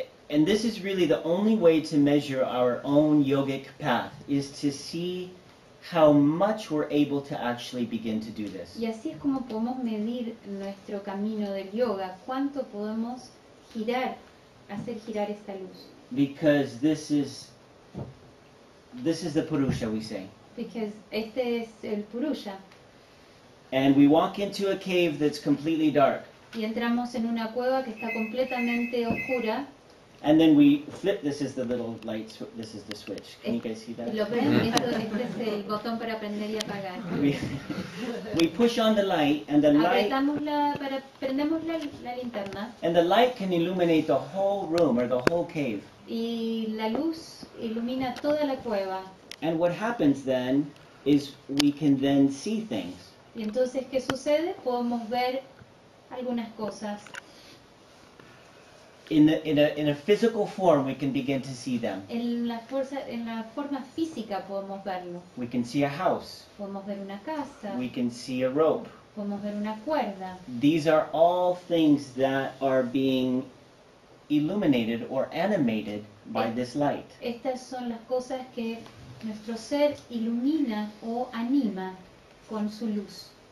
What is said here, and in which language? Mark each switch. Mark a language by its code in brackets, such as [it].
[en] And this is really the only way to measure our own yogic path, is to see how much we're able to actually begin to do this. [es] Y así es como podemos medir nuestro camino del yoga, cuánto podemos girar, hacer girar esta luz. [en] Because this is the Purusha, we say. [es] Because este es el Purusha. [en] And we walk into a cave that's completely dark. [es] Y entramos en una cueva que está completamente oscura. [en] And then we flip, this is the little light, this is the switch. Can you guys see that? [es] Lo ven, este es el botón para prender y apagar. [en] We push on the light, and the [es] apretamos [en] light... [es] prendemos la linterna. [en] And the light can illuminate the whole room, or the whole cave. [es] Y la luz ilumina toda la cueva. [en] And what happens then, is we can then see things. [es] Y entonces, ¿qué sucede? Podemos ver algunas cosas. [en] In a physical form, we can begin to see them. [es] En la forma física podemos verlo. [en] We can see a house. [es] Podemos ver una casa. [en] We can see a rope. [es] Podemos ver una cuerda. [en] These are all things that are being illuminated or animated by this light. [es] Estas son las cosas que nuestro ser ilumina o anima con su luz.